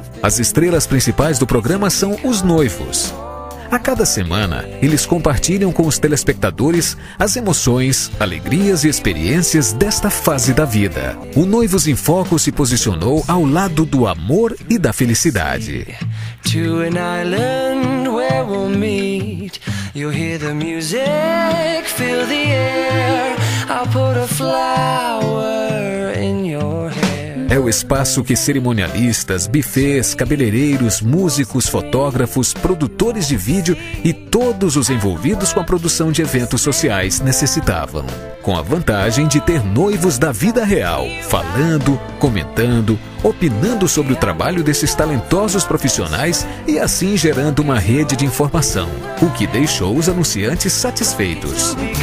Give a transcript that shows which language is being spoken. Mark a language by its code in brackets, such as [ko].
[pt] As estrelas principais do programa são os noivos. A cada semana, eles compartilham com os telespectadores as emoções, alegrias e experiências desta fase da vida. O Noivos em Foco se posicionou ao lado do amor e da felicidade. [en] To an island where we'll meet. You'll hear the music, feel the air. I'll put a flower in your hair. [pt] É o espaço que cerimonialistas, bufês, cabeleireiros, músicos, fotógrafos, produtores de vídeo e todos os envolvidos com a produção de eventos sociais necessitavam. Com a vantagem de ter noivos da vida real, falando, comentando, opinando sobre o trabalho desses talentosos profissionais e assim gerando uma rede de informação, o que deixou os anunciantes satisfeitos.